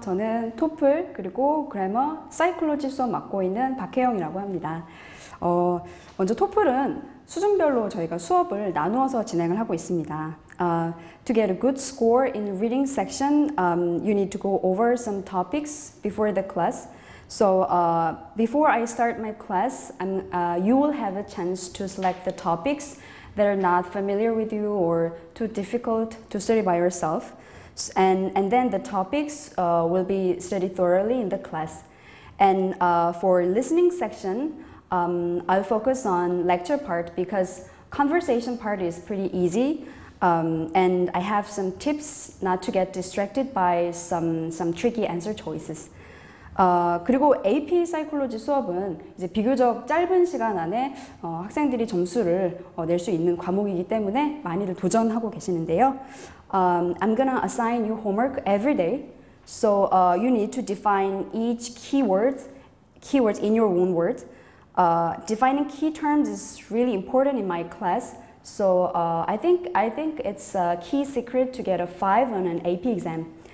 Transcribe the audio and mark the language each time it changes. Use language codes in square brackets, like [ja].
[ko] 저는 토플 그리고 그래머 사이클로지 수업 맡고 있는 박혜영이라고 합니다. 먼저 토플은 수준별로 저희가 수업을 나누어서 진행을 하고 있습니다. [en] To get a good score in reading section, you need to go over some topics before the class. So before I start my class, you will have a chance to select the topics that are not familiar with you or too difficult to study by yourself. And then the topics will be studied thoroughly in the class. And for listening section, I'll focus on lecture part because conversation part is pretty easy. And I have some tips not to get distracted by some tricky answer choices. [ko] 그리고 AP 사이콜로지 수업은 이제 비교적 짧은 시간 안에 학생들이 점수를 낼수 있는 과목이기 때문에 많이들 도전하고 계시는데요. [en] I'm going to assign you homework every day. So you need to define each keyword in your own words. Defining key terms is really important in my class. So I think it's a key secret to get a 5 on an AP exam.